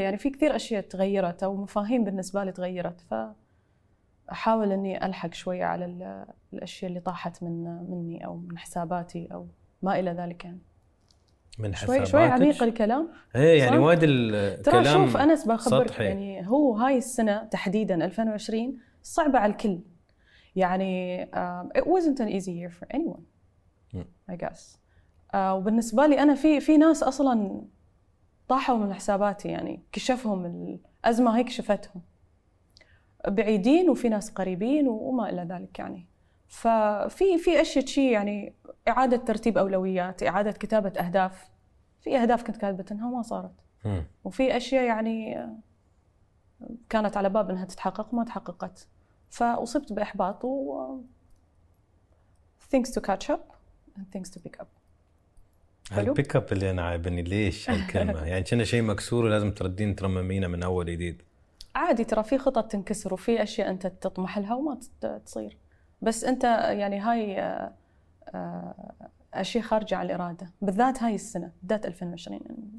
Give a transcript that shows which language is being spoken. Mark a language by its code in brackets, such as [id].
[ar] يعني في كثير أشياء تغيرت أو مفاهيم بالنسبة لي تغيرت، فأحاول إني ألحق شوي على الأشياء اللي طاحت مني أو من حساباتي أو ما إلى ذلك. يعني من شوي شوي عميق الكلام. إيه يعني وايد الكلام. ترى شوف أنس بخبرك يعني هو هاي السنة تحديداً 2020 صعبة على الكل. يعني [en] it wasn't an easy year for anyone. I guess. [ar] وبالنسبة لي أنا في ناس أصلاً طاحوا من حساباتي، يعني كشفهم الأزمة هيك كشفتهم. بعيدين وفي ناس قريبين وما إلى ذلك يعني. ففي أشياء شيء يعني إعادة ترتيب أولويات، إعادة كتابة أهداف. في أهداف كنت كاتبتها وما صارت. وفي أشياء يعني كانت على باب أنها تتحقق وما تحققت. فأصبت بإحباط و [en] things to catch up and things to pick up. [ar] البيك اب اللي أنا عايبني ليش هالكلمة؟ يعني كنا شيء مكسور ولازم تردين ترممينه من أول جديد. عادي ترى في خطط تنكسر وفي أشياء أنت تطمح لها وما تصير. بس أنت يعني هاي أشياء خارجة على الإرادة، بالذات هاي السنة بدأت 2020.